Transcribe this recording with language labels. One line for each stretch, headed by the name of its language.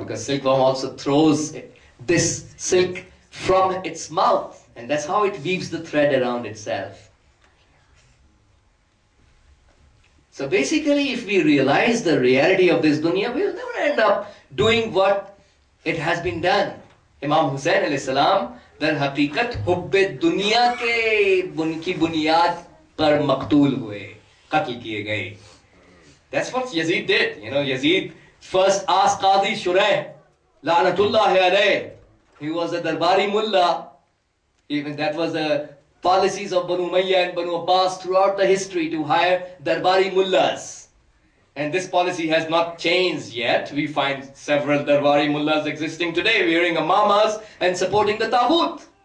English: Because silkworm also throws this silk from its mouth. And that's how it weaves the thread around itself. So basically, if we realize the reality of this dunya, we'll never end up doing what it has been done.
Urdu: Imam Hussain alayhi salam, در حقیقت حب دنیا کے ان کی بنیاد پر مقتول ہوئے قتل کیے گئے.
English: That's what Yazid did. You know, Yazid first asked Qadi Shurayh
Arabic: لعنتullah علیہ.
English: He was a darbari mullah. Even that was the policies of Banu Umayyah and Banu Abbas throughout the history to hire darbari mullahs. And this policy has not changed yet. We find several darbari mullahs existing today, wearing imamas and supporting the taghut.